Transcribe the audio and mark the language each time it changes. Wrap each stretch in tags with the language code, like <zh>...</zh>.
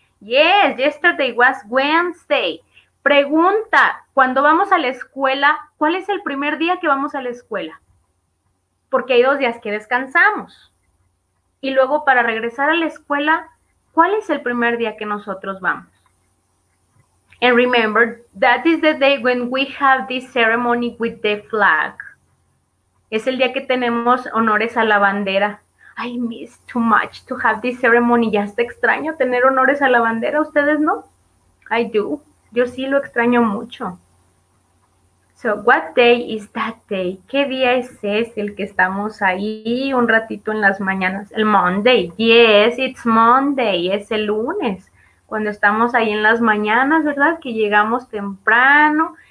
<en>Yes, yesterday was Wednesday.</en> <es>Pregunta, cuando vamos a la escuela, ¿cuál es el primer día que vamos a la escuela? Porque hay dos días que descansamos. Y luego para regresar a la escuela, ¿cuál es el primer día que nosotros vamos?</es> <en>And remember, that is the day when we have this ceremony with the flag.</en> <es>Es el día que tenemos honores a la bandera.</es> <en>I miss too much to have this ceremony.</en> <es>Ya está extraño tener honores a la bandera. ¿Ustedes no?</es> <en>I do.</en> <es>Yo sí lo extraño mucho.</es> <en>So, what day is that day?</en> <es>¿Qué día es ese el que estamos ahí un ratito en las mañanas? El Monday.</es> <en>Yes, it's Monday.</en> <es>Es el lunes. Cuando estamos ahí en las mañanas, ¿verdad? Que llegamos temprano,</es>